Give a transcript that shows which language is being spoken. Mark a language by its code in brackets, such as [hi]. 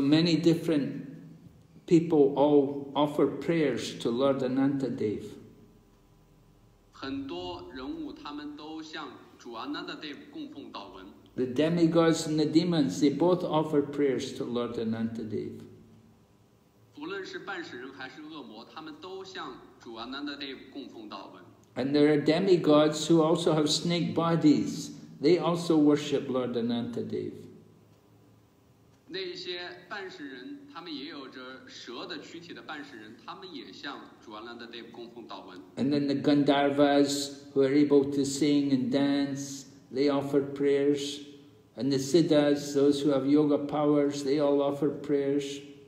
[en] many different people all offer prayers to Lord Anantadeva. [zh] 很多人物他们都向主 Anantadeva 供奉祷文。 [en] The demigods and the demons, they both offer prayers to Lord Anantadeva. [zh] 无论是半世人还是恶魔，他们都向主阿南达德供奉祷文。 [en] And there are demigods who also have snake bodies. They also worship Lord Anantadeva. [zh] 那些半世人，他们也有着蛇的躯体的半世人，他们也向主阿南达德供奉祷文。 [en] And then the Gandharvas who are able to sing and dance, they offer prayers. And the Siddhas, those who have yoga powers, they all offer prayers.